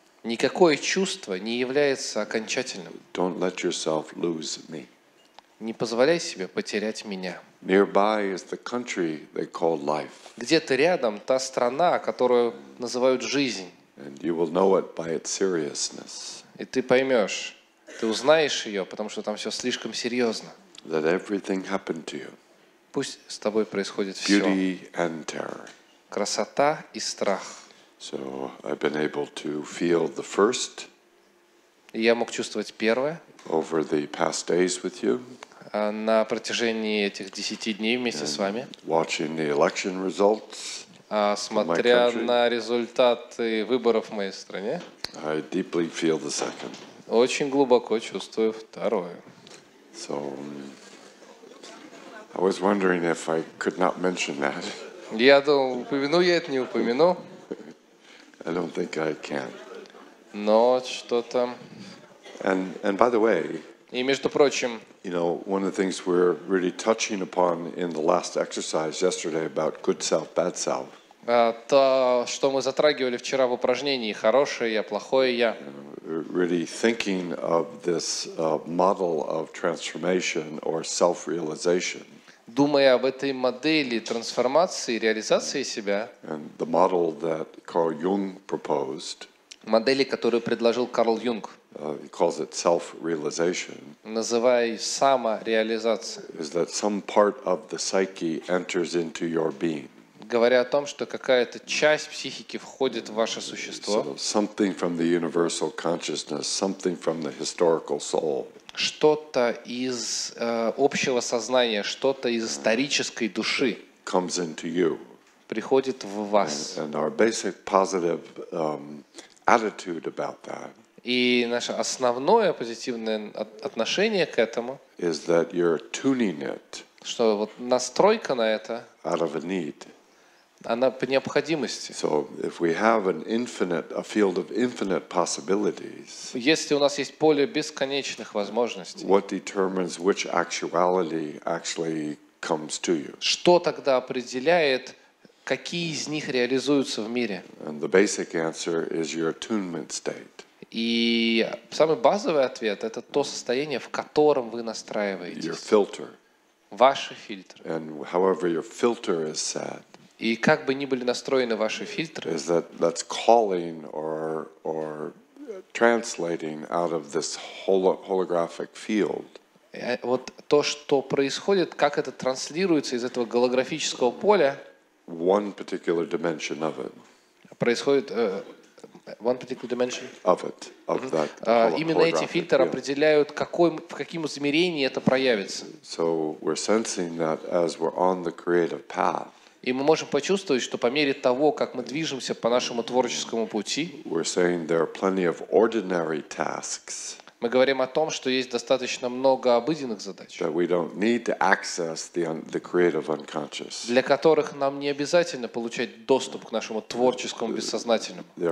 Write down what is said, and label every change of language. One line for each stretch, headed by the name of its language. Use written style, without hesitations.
Russian: Никакое чувство не является окончательным.
English: Don't let yourself lose me.
Russian: Не позволяй себе потерять меня.
English: Nearby is the country they call life.
Russian: Где-то рядом та страна, которую называют жизнь.
English: And you will know it by its seriousness.
Russian: И ты поймешь, ты узнаешь ее, потому что там все слишком серьезно.
English: Let everything happen to you.
Russian: Пусть с тобой происходит все.
English: Beauty and terror.
Russian: Красота и страх.
English: So I've been able to feel the first.
Russian: И я мог чувствовать первое.
English: Over the past days with you.
Russian: На протяжении этих 10 дней вместе с вами.
English: Watching the election results.
Russian: Смотря на результаты выборов в моей стране.
English: I deeply feel the second.
Russian: Очень глубоко чувствую второе.
English: So I was wondering if I could not mention that.
Russian: Я думал, упомяну я это, не упомяну.
English: I don't think I can.
Russian: Но что там.
English: And by the way,
Russian: и между прочим,
English: you know, one of the things we're really touching upon in the last exercise yesterday about good self, bad self.
Russian: То, что мы затрагивали вчера в упражнении, хорошее я, плохое я.
English: Really thinking of this model of transformation or self-realization.
Russian: Думая об этой модели трансформации, реализации себя.
English: And the model that Carl Jung proposed.
Russian: Модели, которую предложил Карл Юнг.
English: He calls it self-realization.
Russian: Называй самореализация.
English: Is that some part of the psyche enters into your being?
Russian: Говоря о том, что какая-то часть психики входит в ваше существо.
English: So something from the universal consciousness, something from the historical soul.
Russian: Что-то из общего сознания, что-то из исторической души.
English: Comes into you.
Russian: Приходит в вас.
English: And our basic positive attitude about that.
Russian: И наше основное позитивное отношение к этому,
English: is that you're tuning it,
Russian: что вот настройка на это
English: out of a need,
Russian: Она по необходимости.
English: So if we have an infinite, a field of infinite possibilities,
Russian: если у нас есть поле бесконечных возможностей,
English: what determines which actuality actually comes to you?
Russian: Что тогда определяет, какие из них реализуются в мире?
English: And the basic answer is your attunement state.
Russian: И самый базовый ответ – это то состояние, в котором вы настраиваетесь.
English: Your filter.
Russian: Ваши фильтры.
English: And however your filter is set,
Russian: и как бы ни были настроены ваши фильтры,
English: is that, that's calling or translating out of this holographic field.
Russian: Вот то, что происходит, как это транслируется из этого голографического поля,
English: one particular dimension of it.
Russian: Происходит
English: one particular dimension of it, of that.
Russian: Именно эти фильтры определяют, в каком измерении это проявится.
English: So we're sensing that as we're on the creative path.
Russian: И мы можем почувствовать, что по мере того, как мы движемся по нашему творческому пути, мы говорим о том, что есть достаточно много обыденных задач, для которых нам не обязательно получать доступ к нашему творческому бессознательному.